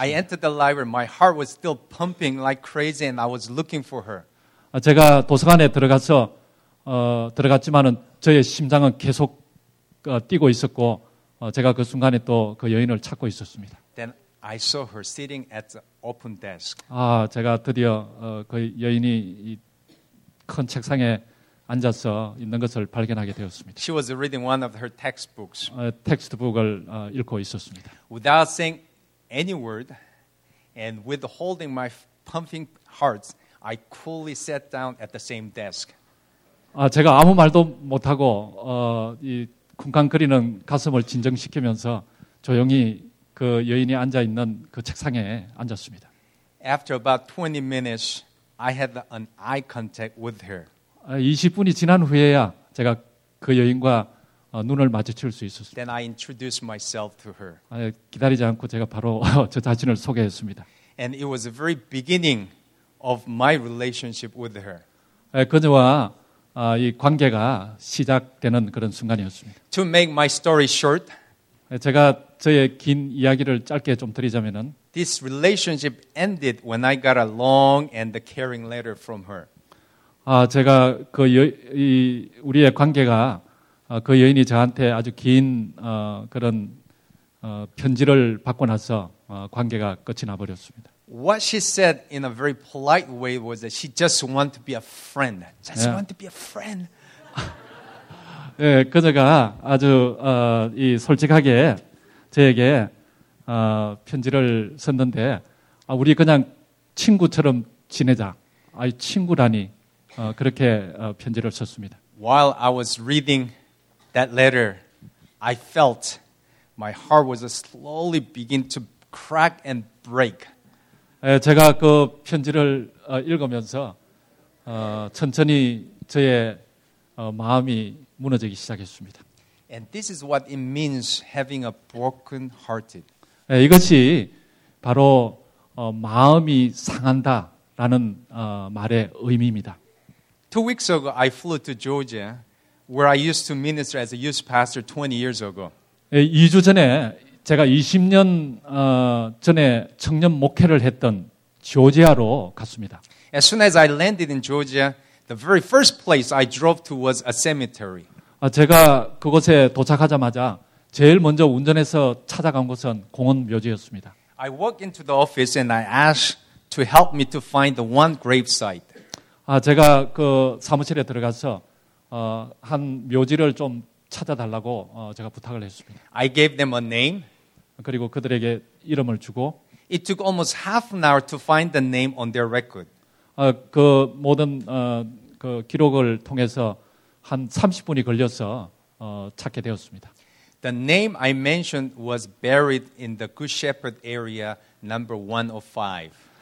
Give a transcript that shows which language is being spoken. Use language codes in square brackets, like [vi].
[en] I entered the library. My heart was still pumping like crazy, and I was looking for her. [ko] 제가 도서관에 들어가서 들어갔지만은 저의 심장은 계속 뛰고 있었고 제가 그 순간에 또 그 여인을 찾고 있었습니다. [en] Then I saw her sitting at the open desk. [ko] 제가 드디어 그 여인이 이 큰 책상에 앉아서 있는 것을 발견하게 되었습니다. [en] She was reading one of her textbooks. [ko] 텍스트북을 읽고 있었습니다. [en] Without saying any word and withholding my pumping heart, I coolly sat down at the same desk. [ko] 제가 아무 말도 못 하고 이 쿵쾅거리는 가슴을 진정시키면서 조용히 그 여인이 앉아 있는 그 책상에 앉았습니다. [en] After about 20 minutes, I had an eye contact with her. [ko] 20분이 지난 후에야 제가 그 여인과 눈을 마주칠 수 있었습니다. [en] Then I introduced myself to her. [ko] 기다리지 않고 제가 바로 저 자신을 소개했습니다. [en] And it was the very beginning of my relationship with her. [ko] 그녀와 이 관계가 시작되는 그런 순간이었습니다. [en] To make my story short, [ko] 제가 저의 긴 이야기를 짧게 좀 드리자면은 [en] This relationship ended when I got a long and caring letter from her. [ko] 제가 그 이 우리의 관계가 그 여인이 저한테 아주 긴 그런 편지를 받고 나서 관계가 끝이 나버렸습니다. [en] What she said in a very polite way was that she just wanted to be a friend. Just yeah. wanted to be a friend. [ko] 예, 그녀가 아주 이 솔직하게 저에게 편지를 썼는데 우리 그냥 친구처럼 지내자. 아이 친구라니 그렇게 편지를 썼습니다. [en] While I was reading that letter, I felt my heart was slowly begin to crack and break. [ko] 예, 제가 그 편지를 읽으면서 천천히 저의 마음이 무너지기 시작했습니다. [en] And this is what it means having a broken hearted. [ko] 예, 이것이 바로 마음이 상한다라는 말의 의미입니다. [en] Two weeks ago, I flew to Georgia, where I used to minister as a youth pastor 20 years ago. [ko] 예, 2주 전에 제가 20년 전에 청년 목회를 했던 조지아로 갔습니다. [en] As soon as I landed in Georgia, the very first place I drove to was a cemetery. [ko] 제가 그곳에 도착하자마자 제일 먼저 운전해서 찾아간 곳은 공원 묘지였습니다. [en] I walked into the office and I asked to help me to find the one grave site. [ko] 제가 그 사무실에 들어가서 한 묘지를 좀 찾아달라고 제가 부탁을 했습니다. [en] I gave them a name. [ko] 그리고 그들에게 이름을 주고. [en] It took almost half an hour to find the name on their record. [ko] 그 모든 그 기록을 통해서 한 30분이 걸려서 찾게 되었습니다. [en] The name I mentioned was buried in the Good Shepherd area number 105.